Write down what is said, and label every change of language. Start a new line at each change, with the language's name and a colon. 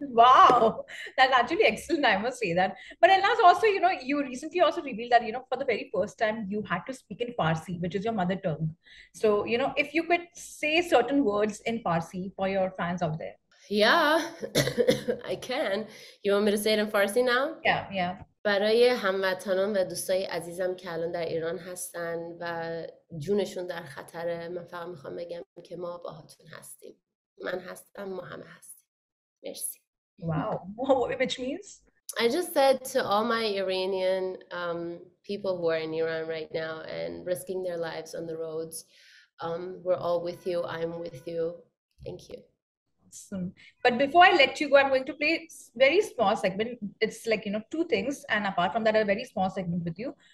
English: Wow, that's actually excellent, I must say that. But Elnaaz, also, you know, you recently also revealed that, you know, for the very first time you had to speak in Farsi, which is your mother tongue. So, you know, if you could say certain words in Farsi for your fans out there. Yeah, I can. You want me to say it in Farsi now?
Persian: برای هموطنان و دوستای عزیزم که الان در ایران هستن و جونشون در خطره، من فقط میخوام بگم که ما باهاتون هستیم. من هستم، ما همه هستیم. مرسی.
English: Wow, which means? I just said to all my Iranian people who are in Iran right now and risking their lives on the roads, we're all with you. I'm with you. Thank you. Awesome. But before I let you go, I'm going to play very small segment. It's like, you know, two things, and apart from that, a very small segment with you.